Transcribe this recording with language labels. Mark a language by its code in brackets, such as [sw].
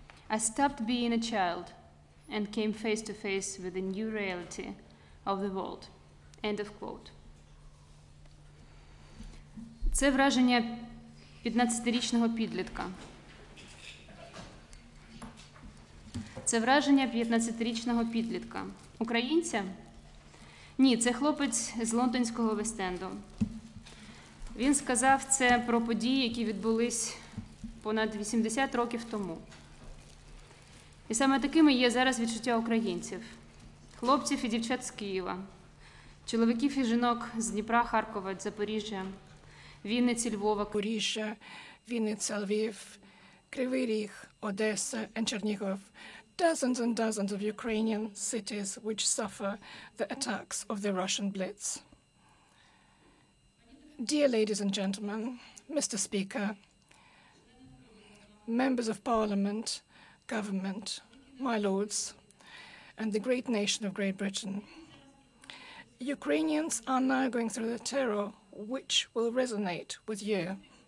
[en] I stopped being a child and came face to face with the new reality of the world. End of quote. [uk] Це враження 15-річного підлітка. Це враження 15-річного підлітка. Українця? Ні, це хлопець з лондонського вестенду. Він сказав це про події, які відбулись понад 80 років тому. І саме такими є зараз відчуття українців. Хлопців і дівчат з Києва. Чоловіків і жінок з Дніпра, Харкова, Запоріжжя, Вінниці, Львова. Поріжжя, Вінниця, Львів, Кривий Ріг, Одеса і Чернігов. [en] Dozens and dozens of Ukrainian cities which suffer the attacks of the Russian Blitz. Dear ladies and gentlemen, Mr. Speaker, members of Parliament, government, my lords, and the great nation of Great Britain, Ukrainians are now going through the terror which will resonate with you.